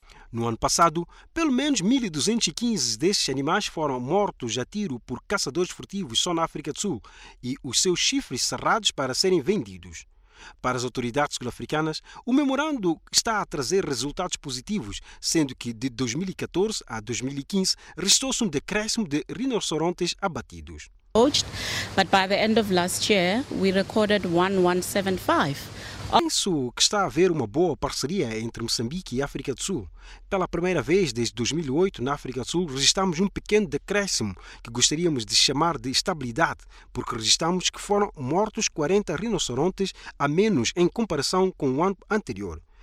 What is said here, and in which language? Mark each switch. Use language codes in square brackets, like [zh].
[pt] No ano passado, pelo menos 1.215 destes animais foram mortos a tiro por caçadores furtivos só na África do Sul e os seus chifres serrados para serem vendidos. Para as autoridades sul-africanas, o memorando está a trazer resultados positivos, sendo que de 2014 a 2015 registrou-se um decréscimo de rinocerontes abatidos. [en] But by the end of last year, we recorded 1175. [pt] Penso que está a haver uma boa parceria entre Moçambique e África do Sul. Pela primeira vez desde 2008, na África do Sul, registamos um pequeno decréscimo que gostaríamos de chamar de estabilidade, porque registamos que foram mortos 40 rinocerontes a menos em comparação com o ano anterior.